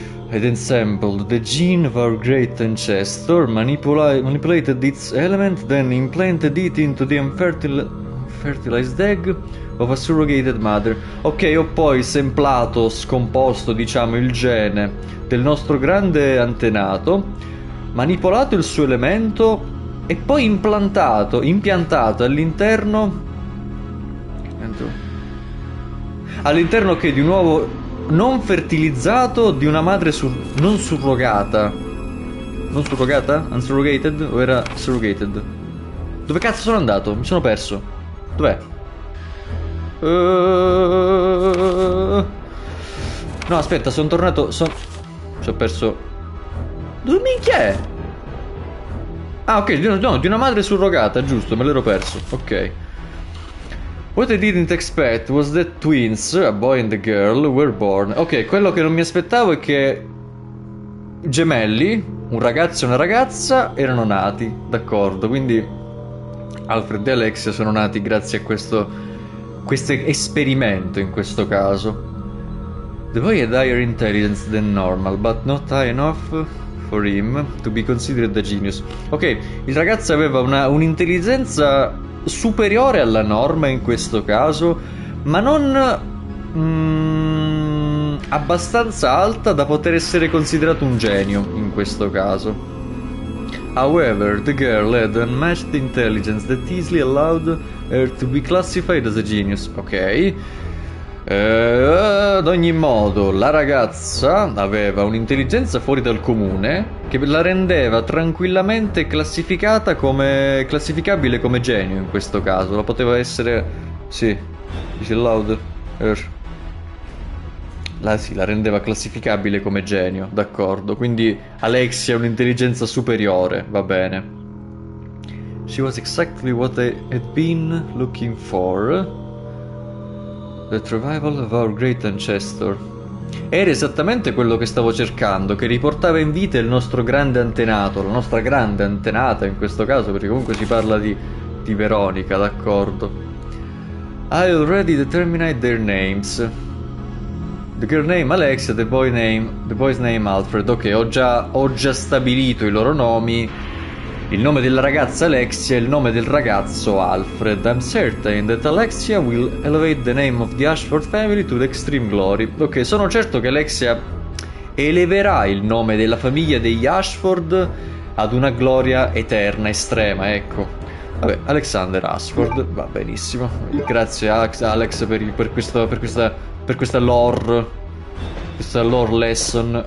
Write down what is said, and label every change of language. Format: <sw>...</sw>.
<en>Ed ensembled the gene of our great ancestor, manipulated its element, then implanted it into the unfertilized egg of a surrogated mother.</en> <it>Ok, ho poi semplato, scomposto, diciamo, il gene del nostro grande antenato, manipolato il suo elemento e poi impiantato all'interno... all'interno che di un uovo non fertilizzato di una madre non surrogata? Unsurrogated? O era surrogated? Dove cazzo sono andato? Mi sono perso. Dov'è? No, aspetta, sono tornato. Ci ho perso. Dove minchia è? Ah, ok, no, di una madre surrogata, giusto, me l'ero perso. Ok.</it> <en>What I didn't expect was that twins, a boy and a girl, were born.</en> <it>Ok, quello che non mi aspettavo è che gemelli, un ragazzo e una ragazza, erano nati, d'accordo. Quindi Alfred e Alexia sono nati grazie a questo esperimento, in questo caso.</it> <en>The boy had higher intelligence than normal, but not high enough for him to be considered a genius.</en> <it>Ok, il ragazzo aveva un'intelligenza superiore alla norma in questo caso, ma non abbastanza alta da poter essere considerato un genio in questo caso.</it> <en>However, the girl had unmatched intelligence that easily allowed her to be classified as a genius.</en> <it>Ok. Ad ogni modo, la ragazza aveva un'intelligenza fuori dal comune che la rendeva tranquillamente classificabile come genio in questo caso. La poteva essere... sì,</it> <en>is it loud?</en> <it>La rendeva classificabile come genio, d'accordo. Quindi Alexia ha un'intelligenza superiore, va bene.</it> <en>She was exactly what I had been looking for. The revival of our great ancestor.</en> <it>Era esattamente quello che stavo cercando, che riportava in vita il nostro grande antenato, la nostra grande antenata in questo caso, perché comunque si parla di Veronica, d'accordo.</it> <en>I already determined their names. The girl name Alexia, the boy's name Alfred.</en> <it>Ok, ho già stabilito i loro nomi. Il nome della ragazza Alexia e il nome del ragazzo Alfred.</it> <en>I'm certain that Alexia will elevate the name of the Ashford family to the extreme glory.</en> <it>Ok, sono certo che Alexia eleverà il nome della famiglia degli Ashford ad una gloria eterna, estrema, ecco. Vabbè, Alexander Ashford, va benissimo. Grazie Alex per questa lore lesson.</it>